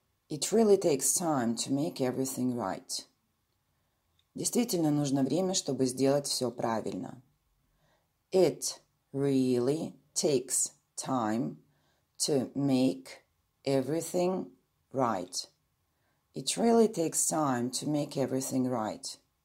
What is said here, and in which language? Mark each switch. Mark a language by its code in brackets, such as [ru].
[en] It really takes time to make everything right. [ru] Действительно нужно время, чтобы сделать все правильно. [en] It really takes time to make everything right. It really takes time to make everything right.